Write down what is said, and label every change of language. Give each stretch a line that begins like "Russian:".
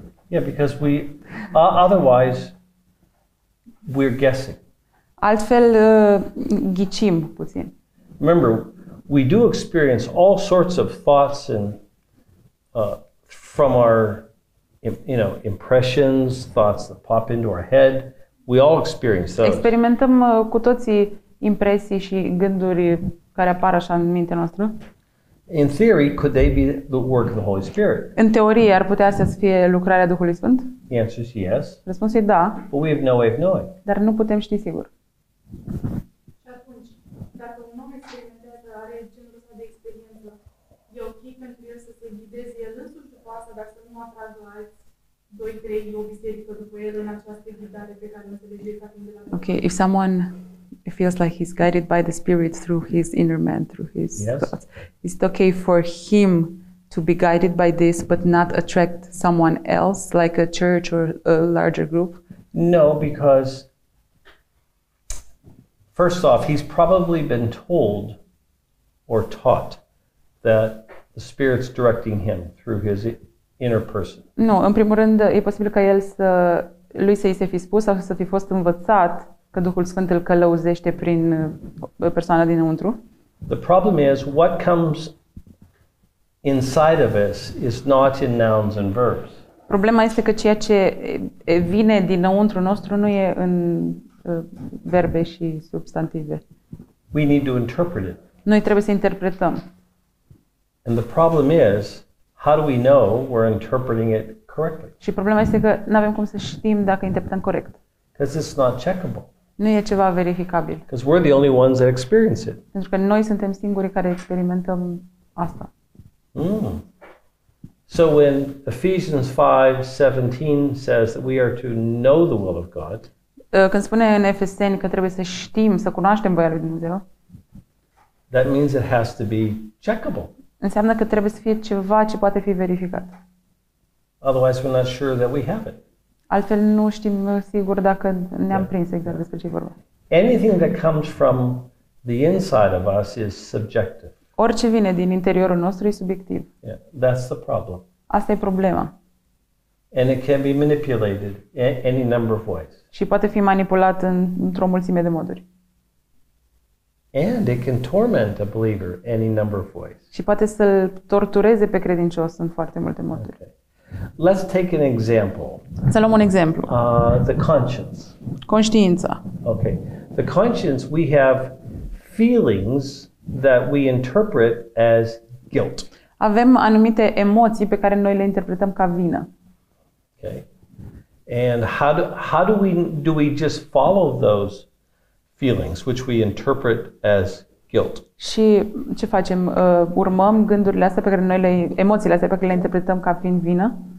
English: Yeah, because we otherwise we're guessing.
Romanian: Altfel ghicim puțin.
English: Remember, we do experience all sorts of thoughts and from our impressions, thoughts that pop into our head. We all experience those.
Romanian: Experimentăm cu toții impresii și gânduri care apar așa în mintea noastră.
English: In theory, could they be the work of the Holy Spirit?
Romanian: În teorie, ar putea să fie lucrarea Duhului Sfânt?
English: The answer is yes.
Romanian: Răspunsul e da.
English: But we have no way of knowing.
Romanian: Dar nu putem ști sigur. Și atunci, dacă un om experimentează, are genul ăsta de experiență, e ok pentru el să se ghideze el însuși după asta, dar să nu mă atragă alți 2-3 o biserică după el în această ghidare pe care înțelege ca fiind de la Dumnezeu.
English: Ok, if someone feels like he's guided by the Spirit through his inner man, through his thoughts, is it okay for him to be guided by this but not attract someone else, like a church or a larger group? No, because first off, he's probably been told or taught that the Spirit's directing him through his inner person.
Romanian: No, în primul rând, e posibil ca el să lui să-i se fi spus sau să fi fost învățat că Duhul Sfânt îl călăuzește prin persoana dinăuntru.
English: The problem is what comes inside of us is not in nouns and verbs.
Romanian: Problema este că ceea ce vine dinăuntru nostru nu e în verbe și substantive.
English: We need to interpret it.
Romanian: Noi trebuie să interpretăm.
English: And the problem is, how do we know we're interpreting it correctly?
Romanian: Și problema este că nu avem cum să știm dacă interpretăm corect.
English: Because it's not checkable.
Romanian: Nu e ceva verificabil.
English: Because we're the only ones that experience it.
Romanian: Pentru că noi suntem singurii care experimentăm asta.
English: So when Ephesians 5:17 says that we are to know the will of God.
Romanian: Când spune în Efeseni că trebuie să știm, să cunoaștem voia lui Dumnezeu.
English: That means it has to be checkable.
Romanian: Înseamnă că trebuie să fie ceva ce poate fi verificat.
English: Otherwise we're not sure that we have it.
Romanian: Altfel nu știm sigur dacă ne-am prins exact despre ce vorba.
English: Anything that comes from the inside of us is subjective.
Romanian: Orice vine din interiorul nostru e subiectiv.
English: Yeah, that's the problem.
Romanian: Asta e problema.
English: And it can be manipulated in any number of ways.
Romanian: Și poate fi manipulat într-o mulțime de moduri.
English: And it can torment a believer any number of ways.
Romanian: Și poate să-l tortureze pe credincios în foarte multe moduri.
English: Okay. Let's take an example.
Romanian: Să luăm un exemplu.
English: The conscience.
Romanian: Conștiința.
English: Okay. The conscience, we have feelings that we interpret as guilt.
Romanian: Avem anumite emoții pe care noi le interpretăm ca vină.
English: Okay. And how do we just follow those feelings which we interpret as guilt?
Romanian: Și ce facem? Urmăm gândurile astea pe care noi le emoțiile astea pe care le interpretăm ca fiind vină?